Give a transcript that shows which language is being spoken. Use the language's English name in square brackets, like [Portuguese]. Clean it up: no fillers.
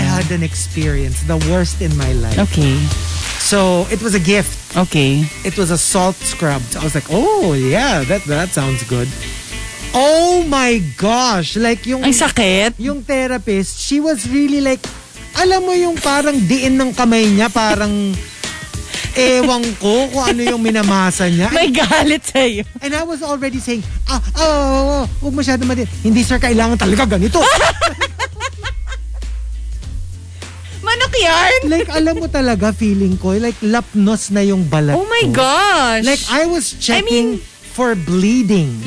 [English] na. Had an experience, the worst in my life. Okay. So, it was a gift. Okay. It was a salt scrub. So, I was like, oh yeah, that sounds good. Oh my gosh! Like yung... [Filipino] Ang sakit? [English] Yung therapist, she was really like... [Filipino] Alam mo yung parang diin ng kamay niya, parang ewang ko kung ano yung minamasa niya. May galit sa'yo. [English] And I was already saying, [Filipino] huwag masyado madin. Hindi sir, kailangan talaga ganito. Manok yarn? Like, alam mo talaga, feeling ko, like, lapnos na yung balat ko. [English] Oh my gosh. Like, I was checking for bleeding.